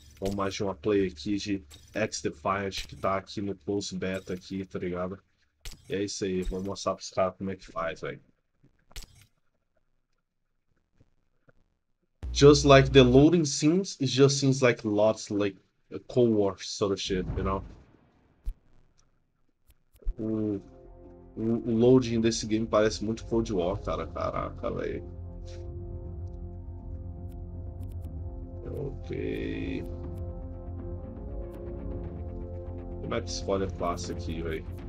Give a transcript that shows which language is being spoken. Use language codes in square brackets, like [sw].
[pt] Vamos mais de uma play aqui de XDefiant que tá aqui no close beta aqui, tá ligado? E é isso aí, vou mostrar pros caras como é que faz, velho. [en] Just like the loading scenes, it just seems like lots like a Cold War sort of shit, you know? [pt] O loading desse game parece muito Cold War, cara. Caraca, velho. Ok. Como é que se escolhe a classe aqui, velho?